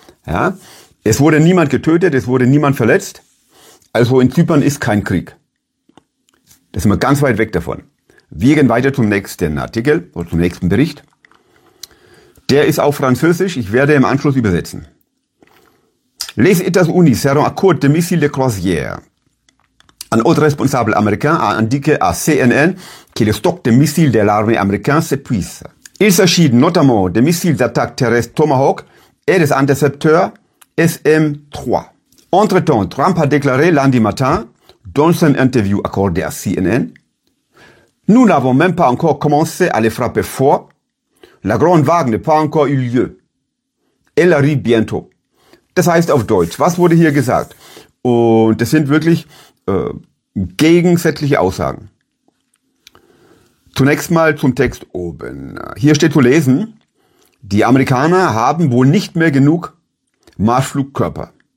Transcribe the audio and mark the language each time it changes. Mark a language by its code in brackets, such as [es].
[de] Ja, es wurde niemand getötet, es wurde niemand verletzt. Also in Zypern ist kein Krieg. Da sind wir ganz weit weg davon. Wir gehen weiter zum nächsten Artikel oder zum nächsten Bericht. Der ist auf Französisch, ich werde im Anschluss übersetzen. [fr] Les États-Unis seront à court de missiles de croisière. Un autre responsable américain a indiqué à CNN que le stock de missiles de l'armée américaine s'épuise. Il s'agit notamment des missiles d'attaque terrestre Tomahawk et des intercepteurs SM-3. Entre-temps, Trump a déclaré lundi matin, dans une interview accordée à CNN, « Nous n'avons même pas encore commencé à les frapper fort. La grande vague n'a pas encore eu lieu. Elle arrive bientôt. » [de] Das heißt auf Deutsch, was wurde hier gesagt? Und das sind wirklich gegensätzliche Aussagen. Zunächst mal zum Text oben. Hier steht zu lesen, die Amerikaner haben wohl nicht mehr genug Marschflugkörper.